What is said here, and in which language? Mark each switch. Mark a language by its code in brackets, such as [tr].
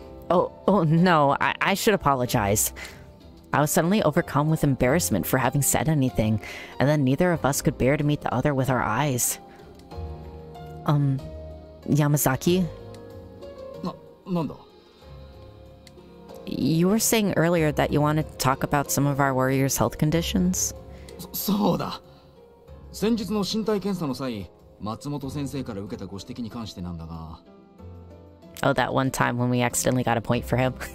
[en] Oh no, I should apologize. I was suddenly overcome with embarrassment for having said anything, and then neither of us could bear to meet the other with our eyes. Yamasaki? [ja] Nanda? [en] You were saying earlier that you wanted to talk about some of our warrior's health conditions? [ja] そうだ! 先日の身体検査の際、松本先生から受けたご指摘に関してなんだが… [en] Oh, that one time when we accidentally got a point for him.